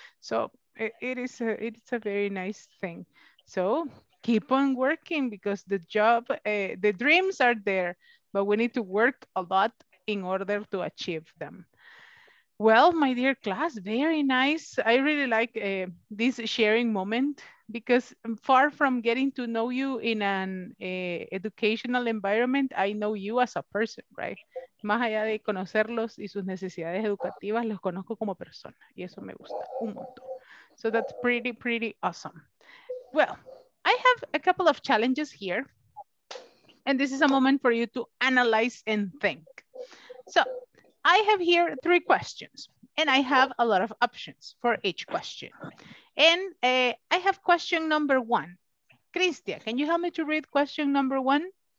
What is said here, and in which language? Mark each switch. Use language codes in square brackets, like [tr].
[en] So it's a very nice thing. So keep on working because the job, the dreams are there, but we need to work a lot in order to achieve them. Well, my dear class, very nice. I really like this sharing moment because far from getting to know you in an educational environment, I know you as a person, right? [es] Más allá de conocerlos y sus necesidades educativas, los conozco como persona y eso me gusta un montón. [en] So that's pretty, pretty awesome. Well, I have a couple of challenges here, and this is a moment for you to analyze and think. So I have here three questions, and I have a lot of options for each question. And I have question number one. Cristia, can you help me to read question number one?